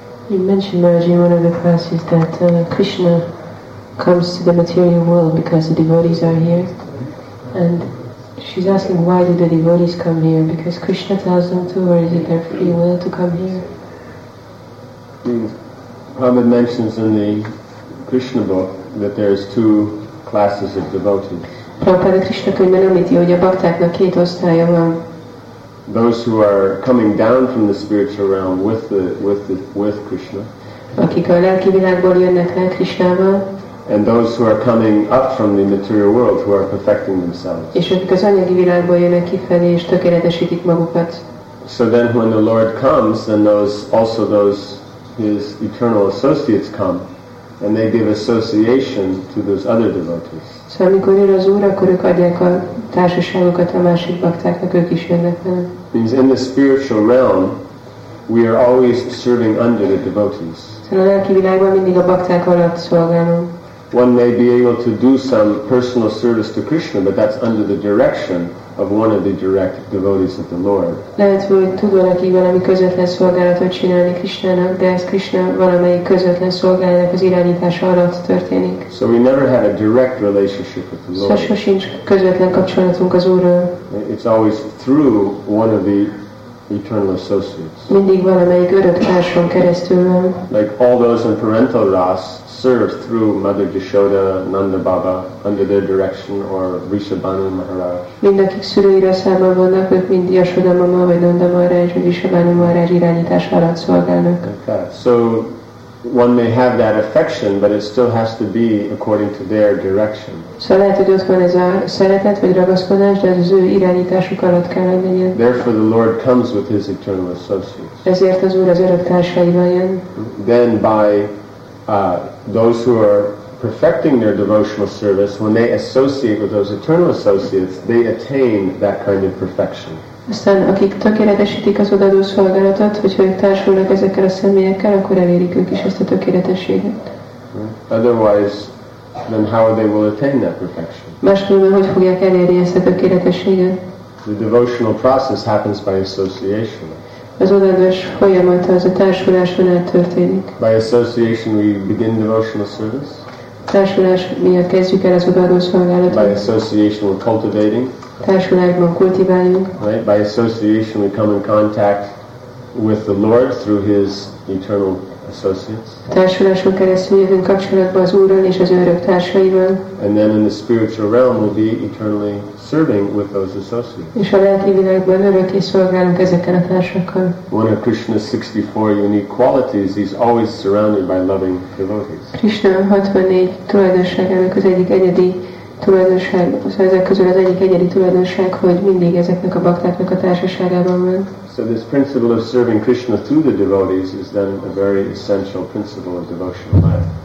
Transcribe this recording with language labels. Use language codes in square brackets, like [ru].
[en] You mentioned, Maharaj, in one of the classes that Krishna comes to the material world because the devotees are here. And she's asking, why do the devotees come here? Because Krishna tells them to, or is it their free will to come here? Prabhupada mentions in the Krishna book that there's two classes of devotees. [hu] Prabhupada Krishna könyvben említi, hogy a baktáknak két osztálya van. [en] Those who are coming down from the spiritual realm with Krishna. [hu] Akik a lelki világból jönnek le Krishnával. [en] And those who are coming up from the material world who are perfecting themselves. [hu] És akik az anyagi világból jönnek kifelé és tökéletesítik magukat. [en] So then when the Lord comes, then those his eternal associates come and they give association to those other devotees. [hu] Szóval, amikor jön az Úr, akkor ők adják a társaságokat a másik baktáknak, ők is jönnek vele. [en] Means in the spiritual realm, we are always serving under the devotees. [hu] Szóval a lelki világban mindig a bakták alatt szolgálunk. [en] One may be able to do some personal service to Krishna, but that's under the direction of one of the direct devotees of the Lord. [hu] Lehet, hogy tud valaki valami közvetlen szolgálatot csinálni Krishnának, de ez Krishna valamelyik közvetlen szolgálatnak az irányítása alatt történik. [en] So we never have a direct relationship with the Lord. [hu] Szóval sincs közvetlen kapcsolatunk az Úrral. [en] It's always through one of the eternal associates. [hu] Mindig valamelyik örök társon keresztül van. [en] Like all those in parental ras serve through Mother Yashoda, Nanda Baba, under their direction, or Vrishabhanu Maharaj. [hu] Mindenkik szülői rasszában vannak, ők mind Yashoda Mama, vagy Nanda Maharaj, vagy Vrishabhanu Maharaj irányítása alatt szolgálnak. [en] So one may have that affection, but it still has to be according to their direction. [hu] Szóval lehet, hogy ott van ez a szeretet, vagy ragaszkodás, de az ő irányításuk alatt kell lennie. [en] Therefore the Lord comes with his eternal associates. [hu] Ezért az Úr az örök társaival jön. [en] Then by those who are perfecting their devotional service, when they associate with those eternal associates, they attain that kind of perfection. [hu] Aztán akik tökéletesítik az odaadó szolgálatot, hogyha ők társulnak ezekkel a személyekkel, akkor elérik ők is ezt a tökéletességet. [en] Otherwise, then how they will attain that perfection? [hu] Másképpen hogy fogják elérni ezt a tökéletességet? [en] The devotional process happens by association. [hu] Az odaadás folyamata, az a társuláson át történik. [en] By association we begin devotional service. [hu] Társulás miatt kezdjük el az odaadó szolgálatot. [en] By association we're cultivating. [hu] Társulásban kultiváljuk. [en] Right? By association we come in contact with the Lord through his eternal associates. [hu] Társuláson keresztül jövünk kapcsolatba az Úrral és az örök társaival. [en] And then in the spiritual realm we'll be eternally serving with those associates. [hu] És a lelki világban örökké szolgálunk ezekkel a társakkal. [en] One of Krishna's 64 unique qualities, he's always surrounded by loving devotees. [hu] Krishna 64 tulajdonságának az egyik egyedi tulajdonság, szóval ezek közül az egyik egyedi tulajdonság, hogy mindig ezeknek a baktáknak a társaságában van. [en] So this principle of serving Krishna through the devotees is then a very essential principle of devotional life.